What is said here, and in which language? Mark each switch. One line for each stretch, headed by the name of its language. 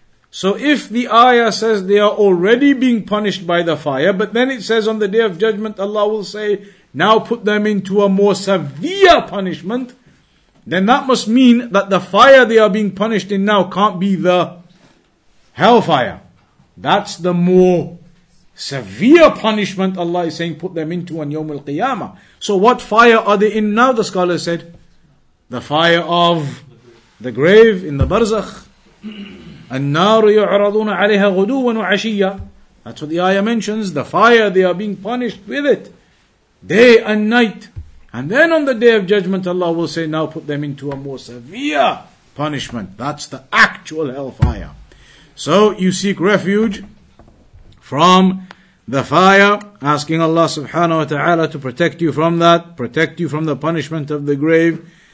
English: So if the ayah says they are already being punished by the fire, but then it says on the day of judgment Allah will say, now put them into a more severe punishment, then that must mean that the fire they are being punished in now can't be the hellfire. That's the more severe punishment Allah is saying put them into on Yawm al-Qiyamah. So what fire are they in now, the scholar said? The fire of the grave in the barzakh.
Arabic: النار يعرضون عليها غدوا وعشيا.
English: That's what the ayah mentions. The fire, they are being punished with it, day and night. And then on the day of judgment, Allah will say, now put them into a more severe punishment. That's the actual hellfire. So you seek refuge from the fire, asking Allah subhanahu wa ta'ala to protect you from that, protect you from the punishment of the grave.